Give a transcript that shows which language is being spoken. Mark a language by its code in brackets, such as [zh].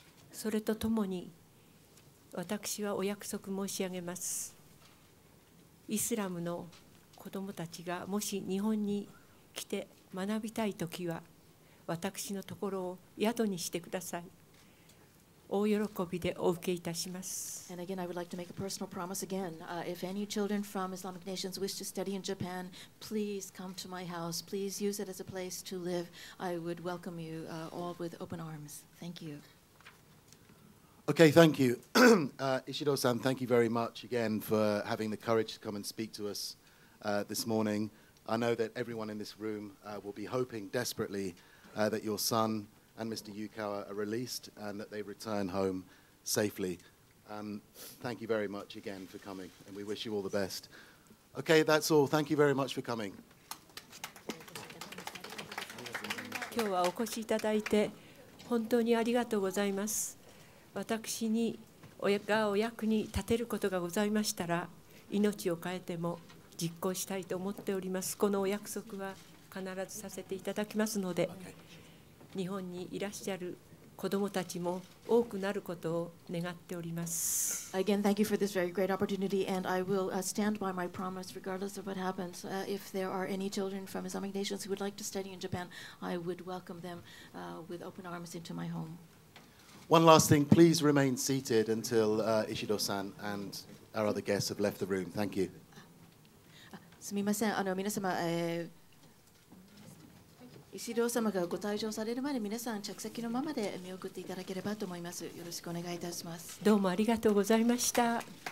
[ja] それとともに私はお約束申し上げます。イスラムの子どもたちがもし日本に来て学びたいときは私のところを宿にしてください。大喜びでお受けいたします。 [en] And again, I would like to make a personal promise again. If any children from Islamic nations wish to study in Japan, please come to my house. Please use it as a place to live. I would welcome you all with open arms. Thank you. Okay, thank you. Ishido-san, thank you very much again for having the courage to come and speak to us this morning. I know that everyone in this room will be hoping desperately that your son and Mr. Yukawa are released and that they return home safely. Thank you very much again for coming, and we wish you all the best. Okay, that's all. Thank you very much for coming. [ja] 今日はお越しいただいて本当にありがとうございます。私にがお役に立てることがございましたら、命を変えても実行したいと思っております。このお約束は必ずさせていただきますので。 [en] Okay. [ja] 日本にいらっしゃる子どもたちも多くなることを願っております。 [en] Again, thank you for this very great opportunity, and I will stand by my promise regardless of what happens. If there are any children from Islamic nations who would like to study in Japan, I would welcome them with open arms into my home. One last thing, please remain seated until Ishido-san and our other guests have left the room. Thank you. [ja] すみません、皆様、石堂様がご退場されるまで皆さん着席のままで見送っていただければと思います。よろしくお願いいたします。どうもありがとうございました。